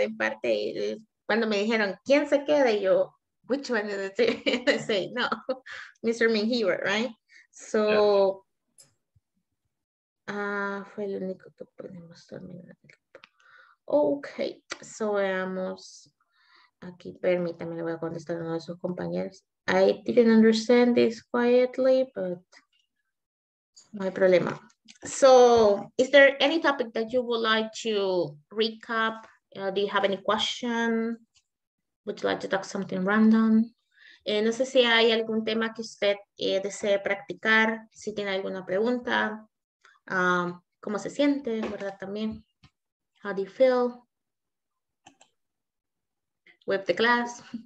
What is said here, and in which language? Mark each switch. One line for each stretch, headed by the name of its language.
Spanish: En parte, cuando me dijeron, ¿quién se queda? Y yo,
English: which one is it? I say, no, Mr. Menjivar, right? So... Yeah.
Spanish: Fue el único que pudimos terminar. Ok, so veamos. Aquí, permítame, le voy a contestar a uno de sus compañeros.
English: I didn't understand this quietly, but
Spanish: no hay problema.
English: So, is there any topic that you would like to recap? Do you have any question? Would you like to talk something random?
Spanish: No sé si hay algún tema que usted desee practicar, si tiene alguna pregunta. ¿Cómo se siente, verdad, también?
English: How do you feel? With the class.